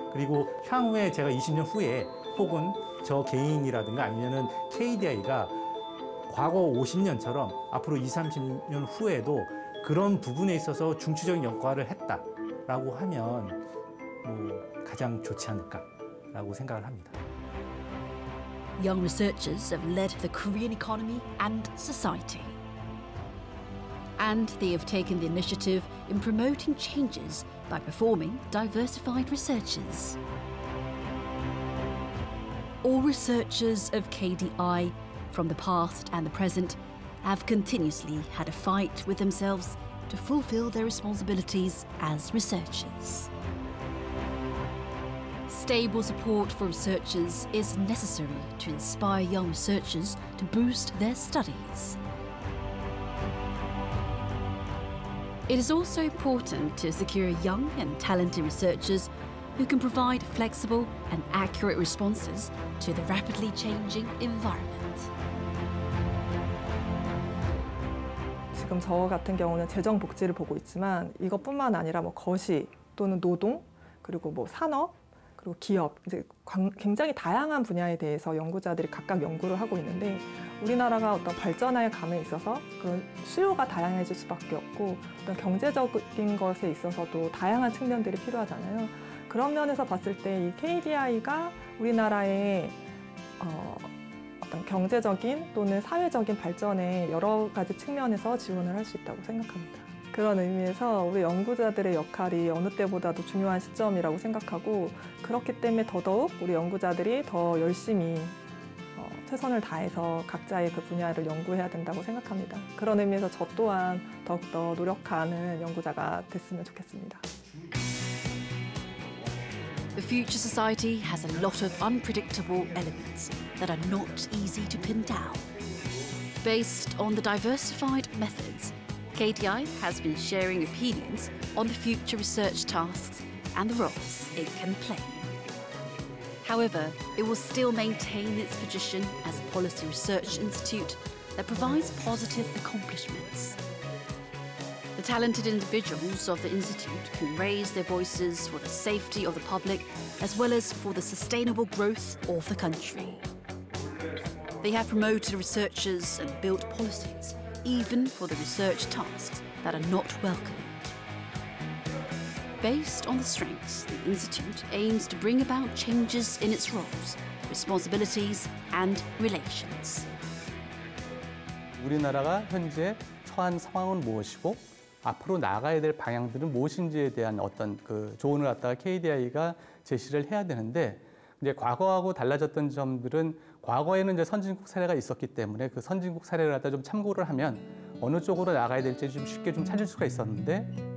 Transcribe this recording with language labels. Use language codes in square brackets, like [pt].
[ko] 그리고 향후에 제가 20년 후에 혹은 저 개인이라든가 아니면은 KDI가 과거 50년처럼 앞으로 20, 30년 후에도 그런 부분에 있어서 중추적인 역할을 했다라고 하면 뭐 가장 좋지 않을까라고 생각을 합니다. [en] Young researchers have led the Korean economy and society. And they have taken the initiative in promoting changes by performing diversified researches. All researchers of KDI, from the past and the present, have continuously had a fight with themselves to fulfill their responsibilities as researchers. Stable support for researchers is necessary to inspire young researchers to boost their studies. It is also important to secure young and talented researchers who can provide flexible and accurate responses to the rapidly changing environment. [ko] 지금 저 같은 경우는 재정 복지를 보고 있지만 이것뿐만 아니라 뭐 거시 또는 노동 그리고 뭐 산업 그리고 기업 이제 굉장히 다양한 분야에 대해서 연구자들이 각각 연구를 하고 있는데 우리나라가 어떤 발전화에 감에 있어서 그런 수요가 다양해질 수밖에 없고 어떤 경제적인 것에 있어서도 다양한 측면들이 필요하잖아요. 그런 면에서 봤을 때 이 KDI가 우리나라의 어떤 경제적인 또는 사회적인 발전에 여러 가지 측면에서 지원을 할 수 있다고 생각합니다. 그런 의미에서 우리 연구자들의 역할이 어느 때보다도 중요한 시점이라고 생각하고 그렇기 때문에 더더욱 우리 연구자들이 더 열심히 최선을 다해서 각자의 그 분야를 연구해야 된다고 생각합니다. 그런 의미에서 저 또한 더욱더 노력하는 연구자가 됐으면 좋겠습니다. [en] The future society has a lot of unpredictable elements that are not easy to pin down. Based on the diversified methods, KDI has been sharing opinions on the future research tasks and the roles it can play. However, it will still maintain its position as a policy research institute that provides positive accomplishments. The talented individuals of the institute can raise their voices for the safety of the public as well as for the sustainable growth of the country. They have promoted researchers and built policies even for the research tasks that are not welcomed. Based on the strengths, the Institute aims to bring about changes in its roles, responsibilities, and relations. [ko] 우리나라가 현재 처한 상황은 무엇이고 앞으로 나아가야 될 방향들은 무엇인지에 대한 어떤 그 조언을 갖다가 KDI가 제시를 해야 되는데 이제 과거하고 달라졌던 점들은 과거에는 이제 선진국 사례가 있었기 때문에 그 선진국 사례를 갖다 좀 참고를 하면 어느 쪽으로 나가야 될지 좀 쉽게 좀 찾을 수가 있었는데